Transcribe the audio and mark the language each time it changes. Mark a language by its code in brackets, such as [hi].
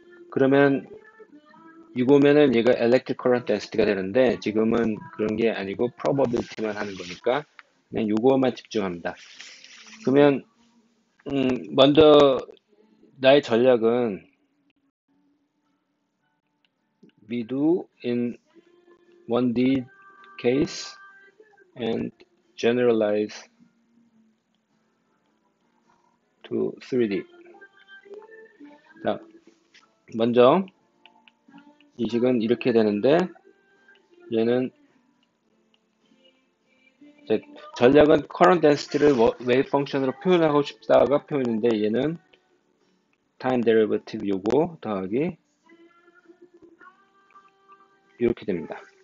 [ko] 그러면 이거면은 얘가 electric current density가 되는데 지금은 그런 게 아니고 probability만 하는 거니까 그냥 이거만 집중합니다. 그러면 먼저 나의 전략은 [en] we do in 1D case and generalize to 3D. [ko] 자, 먼저 이식은 이렇게 되는데, 얘는 이제 전략은 current density를 wave function으로 표현하고 싶다가 표현인데, 얘는 time derivative 요거 더하기 이렇게 됩니다.